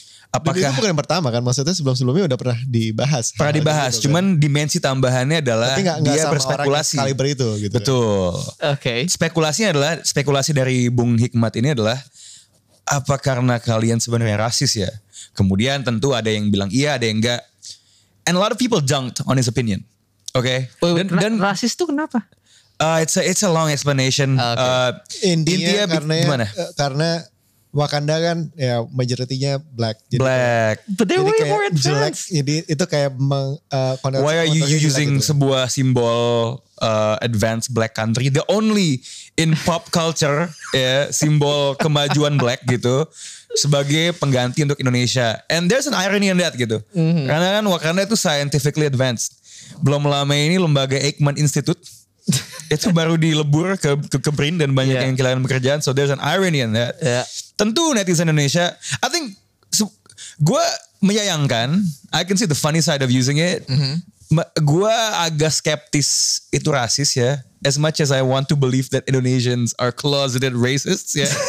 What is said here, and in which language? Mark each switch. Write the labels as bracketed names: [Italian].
[Indonesian] Apakah itu bukan yang pertama kan? Maksudnya sebelum-sebelumnya udah pernah dibahas. Pernah dibahas, cuman dimensi tambahannya adalah dia berspekulasi. Tapi gak sama orang yang kaliber itu. Betul. Oke. Spekulasinya adalah, spekulasi dari Bung Hikmat ini adalah, apa karena kalian sebenarnya rasis ya? Kemudian tentu ada yang bilang iya, ada yang enggak. [English] And a lot of people jumped on his opinion. [Indonesian] Oke. Dan rasis itu kenapa? [English] It's a long explanation. [Indonesian] Okay. India karena gimana? Karena Wakanda kan ya majoritinya black. Jadi black. Kayak, [English] but they're way more advanced. [Indonesian] Jelek, jadi itu kayak [English] why are you using [Indonesian] gitu, sebuah simbol [English] advanced black country? The only in pop culture [Indonesian] ya simbol kemajuan black gitu sebagai pengganti untuk Indonesia. [English] And there's an irony in that [Indonesian] gitu. [English] Mm-hmm. [Indonesian] Karena kan Wakanda itu scientifically advanced. Belum lama ini lembaga Eijkman Institute itu baru dilebur ke print dan banyak yang kehilangan pekerjaan. [English] So there's an irony in that. Yeah. [Indonesian] Tentu netizen Indonesia, [English] I think, [Indonesian] gue menyayangkan, [English] I can see the funny side of using it. [Indonesian] Gue agak skeptis itu rasis ya. [English] As much as I want to believe that Indonesians are closeted racists [Indonesian] ya.